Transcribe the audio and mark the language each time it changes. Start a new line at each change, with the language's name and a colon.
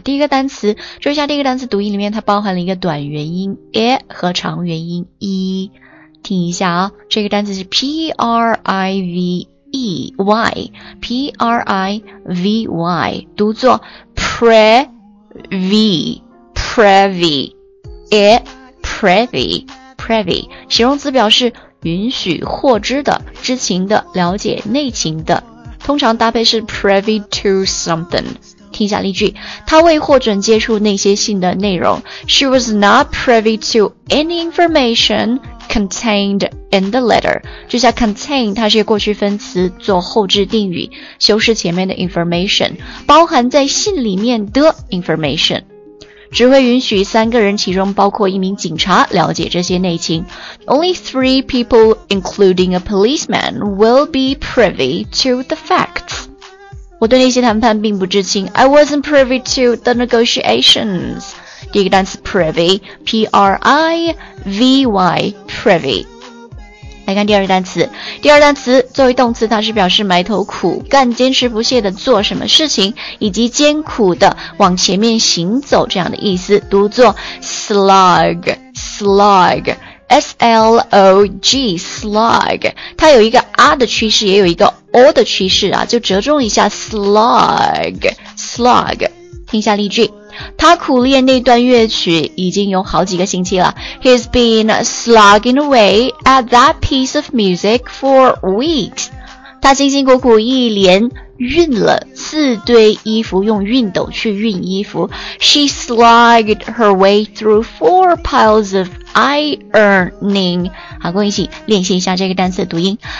Chinese: 第一个单词，注意一下第一个单词读音里面它包含了一个短元音 e 和长元音 e， 听一下啊，这个单词是 P-R-I-V-E-Y P-R-I-V-Y 读作 Previ Previ e Previ Previ， 形容词表示允许获知的、知情的、了解内情的，通常搭配是 privy to something。听一下例句，他未获准接触那些信的内容。
English: She was not privy to any information contained in the letter。
Chinese: 这下 contain 它是一个过去分词，做后置定语，修饰前面的 information， 包含在信里面的 information。只会允许三个人，其中包括一名警察了解这些内情。
English: Only three people including a policeman will be privy to the facts。
Chinese: 我对那些谈判并不知情。
English: I wasn't privy to the negotiations。
Chinese: 第一个单词
English: privy P-R-I-V-Y privy。
Chinese: 来看第二单词，第二单词作为动词，它是表示埋头苦干坚持不懈的做什么事情，以及艰苦的往前面行走这样的意思，读作 slog slog S-L-O-G slog， 它有一个 R 的趋势，也有一个 O 的趋势啊，就折中一下 slog slog。听一下例句，他苦练那段乐曲已经有好几个星期了。
English: He's been slogging away at that piece of music for weeks.
Chinese: 他辛辛苦苦一连熨了四堆衣服，用熨斗去熨衣服。
English: She slogged her way through four piles of ironing.
Chinese: 好，跟我一起练习一下这个单词的读音。